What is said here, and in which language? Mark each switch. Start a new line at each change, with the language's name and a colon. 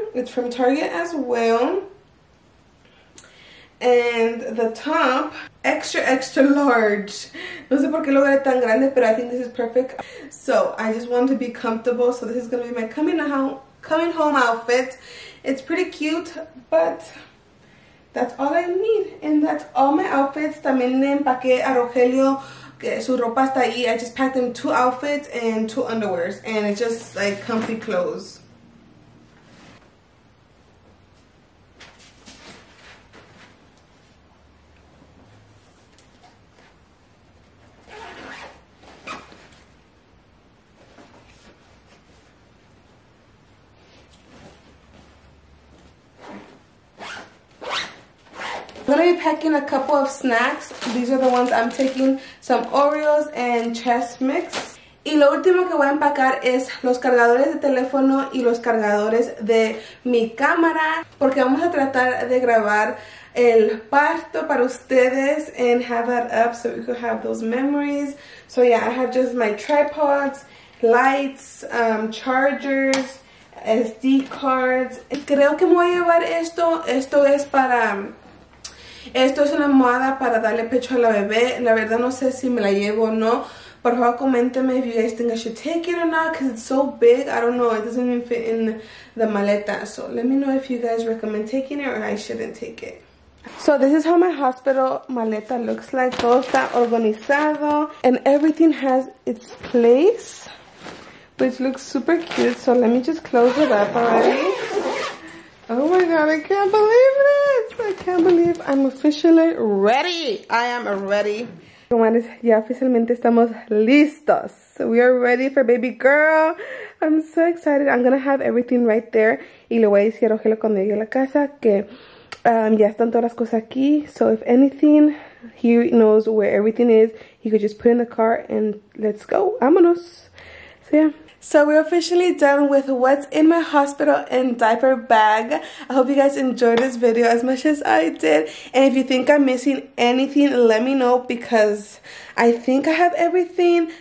English: It's from Target as well. And the top, extra, extra large.
Spanish: No sé por qué lo veo tan grande, pero
English: I think this is perfect. So, I just want to be comfortable. So, this is going to be my coming home outfit. It's pretty cute, but that's all I need. And that's all my outfits.
Spanish: También le empaqué a Rogelio que su ropa está ahí.
English: I just packed him two outfits and two underwears. And it's just like comfy clothes. Packing a couple of snacks. These are the ones I'm taking, some Oreos and Chess Mix.
Spanish: Y lo último que voy a empacar es los cargadores de teléfono y los cargadores de mi cámara, porque vamos a tratar de grabar el parto para ustedes
English: and have that up so we could have those memories. So yeah, I have just my tripods, lights, chargers, SD cards.
Spanish: Creo que me voy a llevar esto. Esto es para... Esto es una almohada para darle pecho a la bebé. La verdad no sé si me la llevo o no. Por favor, coméntenme
English: if you guys think I should take it or not, because it's so big. I don't know. It doesn't even fit in the maleta. So let me know if you guys recommend taking it or I shouldn't take it. So this is how my hospital maleta looks like.
Spanish: Todo está organizado.
English: And everything has its place, which looks super cute. So let me just close it up already. Oh my god, I can't believe it. I can't believe I'm officially ready. I am ready.
Spanish: Comadres, ya oficialmente estamos listos.
English: We are ready for baby girl. I'm so excited. I'm gonna have everything right there.
Spanish: Y le voy a decir a Rogelio cuando llegue a la casa que ya están todas las cosas aquí.
English: So if anything, he knows where everything is. He could just put in the car and let's go.
Spanish: Vámonos.
English: So yeah. So we're officially done with what's in my hospital and diaper bag. I hope you guys enjoyed this video as much as I did. And if you think I'm missing anything, let me know, because I think I have everything.